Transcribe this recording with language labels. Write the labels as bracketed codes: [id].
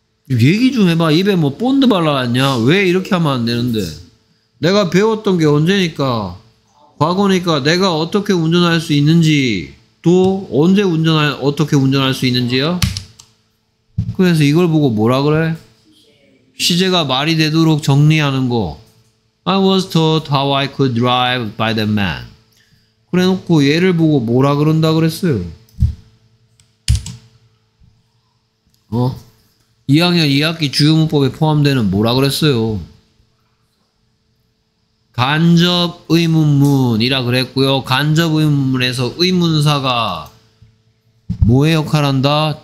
[ko] 얘기 좀 해봐. 입에 뭐 본드 발라놨냐? 왜 이렇게 하면 안 되는데? 내가 배웠던 게 언제니까? 과거니까 내가 어떻게 운전할 수 있는지 또 언제 운전할 어떻게 운전할 수 있는지요? 그래서 이걸 보고 뭐라 그래? 시제가 말이 되도록 정리하는 거. [en] I was taught how I could drive by the man. [ko] 그래 놓고 얘를 보고 뭐라 그런다 그랬어요. 어? 2학년 2학기 주요 문법에 포함되는 뭐라 그랬어요? 간접 의문문이라 그랬고요. 간접 의문문에서 의문사가 뭐의 역할을 한다?